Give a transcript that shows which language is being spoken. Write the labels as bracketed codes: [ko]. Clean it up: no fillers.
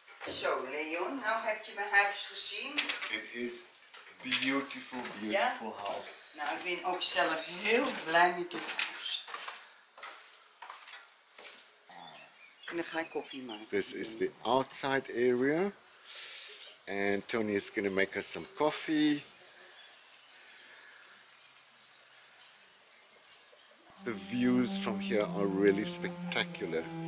[en] So, Leon, now have you my house gezien? It is. Beautiful, beautiful yeah. House. [nl] Nou, ik ben ook zelf heel blij met dit huis. En dan ga ik koffie maken. [en] This is the outside area. And Tony is going to make us some coffee. The views from here are really spectacular.